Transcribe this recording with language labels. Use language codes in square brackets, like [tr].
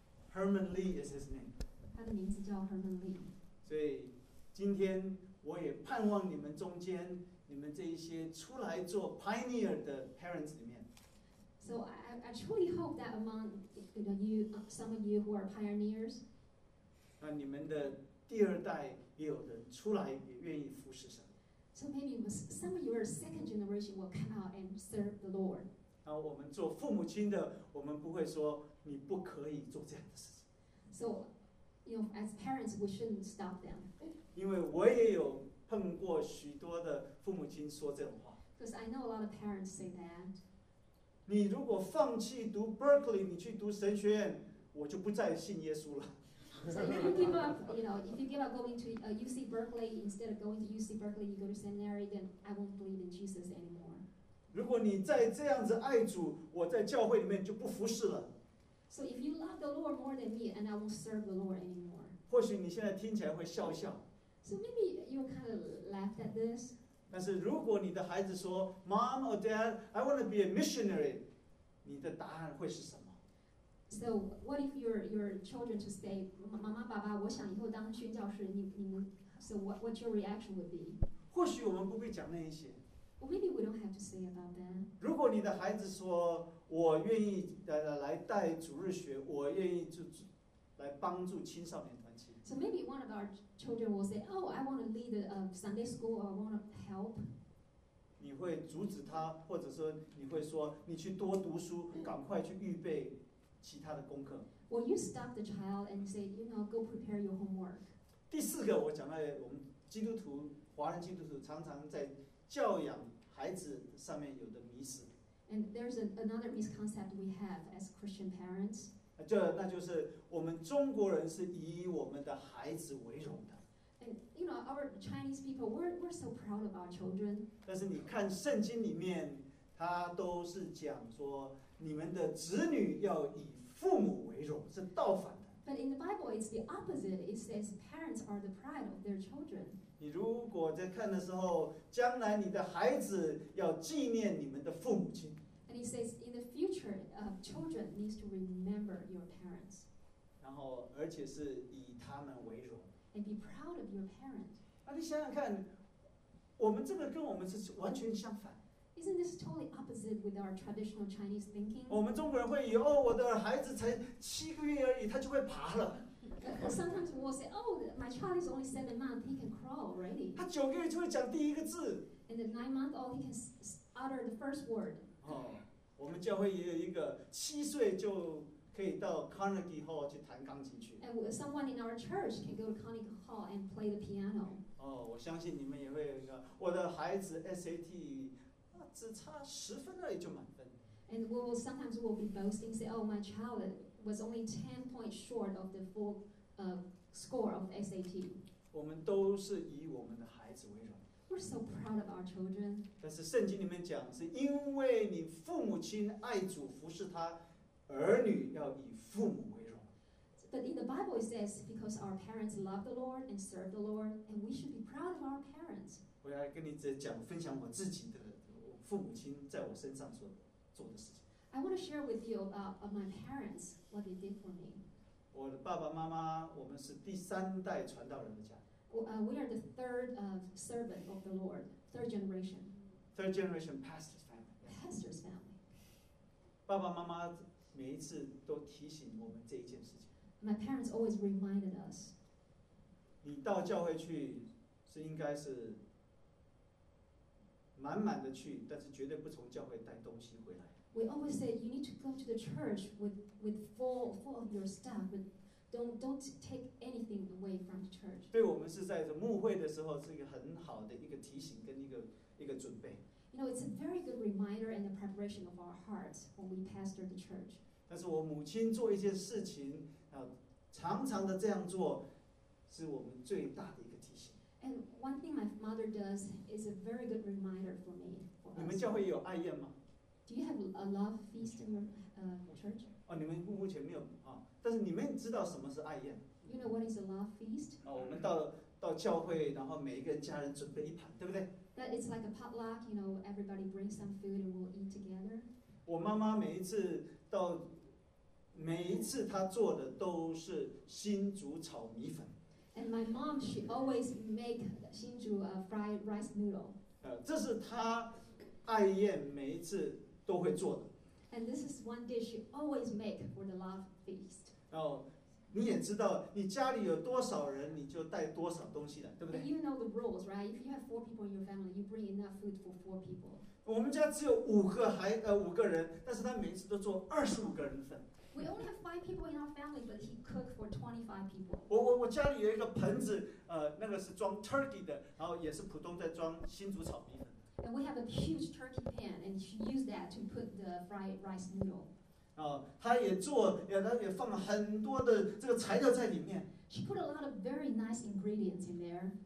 [en] Herman Lee is his name. [zh] 他的名字叫 Herman Lee。所以今天我也盼望你们中间，你们这一些出来做 pioneer 的 parents 里面。 [en] So I truly hope that among you, know, you, some of you who are pioneers, [zh] 那你们的第二代也有人出来也愿意服侍神。 [en] So maybe some of your second generation will come out and serve the Lord. [zh] 那我们做父母亲的，我们不会说你不可以做这样的事情。 [en] So, you know, as parents, we shouldn't stop them. [zh] 因为我也有碰过许多的父母亲说这种话。 [en] Because I know a lot of parents say that. [zh] 你如果放弃读 Berkeley， 你去读神学院，我就不再信耶稣了。 [en] So if you give up, you know, if you give up going to UC Berkeley instead of going to UC Berkeley, you go to seminary, then I won't believe in Jesus anymore. [zh] 如果你再这样子爱主，我在教会里面就不服侍了。 [en] So if you love the Lord more than me, and I won't serve the Lord anymore. [zh] 或许你现在听起来会笑笑。 [en] So maybe you'll kind of laugh at this. [zh] 但是如果你的孩子说 [en] Mom or Dad, I want to be a missionary, [zh] 你的答案会是什么？ [en] So what if your children to say, [zh] 妈妈爸爸，我想以后当宣教士，你们 [en] So what your reaction would be? [zh] 或许我们不必讲那一些。 [en] Well, maybe we don't have to say about that. [zh] 如果你的孩子说，我愿意来带主日学，我愿意来帮助青少年团契。 [en] So maybe one of our children will say, oh, I want to lead a Sunday school, or I want to help. [zh] 你会阻止他，或者说你会说，你去多读书，赶快去预备其他的功课。 [en] Will you stop the child and say, you know, go prepare your homework? [zh] 第四个我讲到我们基督徒，华人基督徒常常在教养孩子上面有的迷思。 [en] And there's another misconcept we have as Christian parents. [zh] 那就是我们中国人是以我们的孩子为荣的。 [en] And you know, our Chinese people, we're so proud of our children. [zh] 但是你看圣经里面，他都是讲说，你们的子女要以父母为荣，是倒反的。 [en] But in the Bible, it's the opposite. It says parents are the pride of their children. [zh] 你如果在看的时候，将来你的孩子要纪念你们的父母亲。 [en] And he says, in the future, children need to remember your parents. [zh] 然后而且是以他们为荣。 [en] And be proud of your parents. [zh] 啊，你想想看，我们这个跟我们是完全相反。 [en] Isn't this totally opposite with our traditional Chinese thinking? [zh] 我们中国人会以，哦，我的孩子才七个月而已，他就会爬了。 [en] Sometimes we will say, oh, my child is only 7 months, he can crawl already. [zh] 他九个月就会讲第一个字。 [en] And at 9 months, all he can utter the first word. [zh] 我们教会也有一个七岁就可以到 Carnegie Hall 去弹钢琴去。 [en] And someone in our church can go to Carnegie Hall and play the piano. [zh] 我相信你们也会有一个，我的孩子 SAT 只差十分而已就满分。 [en] And we will sometimes we'll be boasting, say, oh, my child was only 10 points short of the full score of SAT. [zh] 我们都是以我们的孩子为荣。 [en] We're so proud of our children. [zh] 但是圣经里面讲，是因为你父母亲爱主服侍他，儿女要以父母为荣。 [en] But in the Bible it says, because our parents love the Lord and serve the Lord, and we should be proud of our parents. [zh] 我要跟你讲，分享我自己的父母亲在我身上说的。 [en] I want to share with you about my parents, what they did for me. [zh] 我的爸爸妈妈，我们是第三代传道人的家。 [en] We are the third servant of the Lord, third generation. Third generation pastor's family. Pastor's family. [zh] 爸爸妈妈每一次都提醒我们这一件事情。 [en] My parents always reminded us. [zh] 你到教会去是应该是。满满的去，但是绝对不从教会带东西回来。 [en] We always say you need to go to the church with full of your stuff, but don't take anything away from the church. [zh] 对我们是在牧会的时候是一个很好的一个提醒跟一个准备。 [en] You know, it's a very good reminder and the preparation of our hearts when we pastor the church. [zh] 但是我母亲做一件事情，常常的这样做，是我们最大的一个提醒。 [en] And one thing my mother does is a very good reminder for me. For [zh] 你们教会有爱宴吗 [en] ？Do you have a love feast in your church? [zh] 你们目前没有啊，但是你们知道什么是爱宴 [en] ？You know what is a love feast? [zh] 我们到教会，然后每一个家人准备一盘，对不对 [en] ？That it's like a potluck, you know, everybody brings some food and we'll eat together. [zh] 我妈妈每一次她做的都是新竹炒米粉。 [en] And my mom, she always make 新竹 fried rice noodle. [zh] 这是她爱宴每一次都会做的。 [en] And this is one dish she always make for the love feast. [zh] 你也知道，你家里有多少人，你就带多少东西了，对不对 [en] ？But you know the rules, right? If you have four people in your family, you bring enough food for four people. [zh] 我们家只有五个人，但是她每次都做25个人份。 [en] We only have 5 people in our family, but he cooked for 25 people. [zh] 我家里有一个盆子，那个是装 turkey 的，然后也是普通在装新竹炒米粉。 [en] And we have a huge turkey pan, and she used that to put the fried rice noodle. [zh] 他也做，也放了很多的这个材料在里面。 [en] She put a lot of very nice ingredients in there.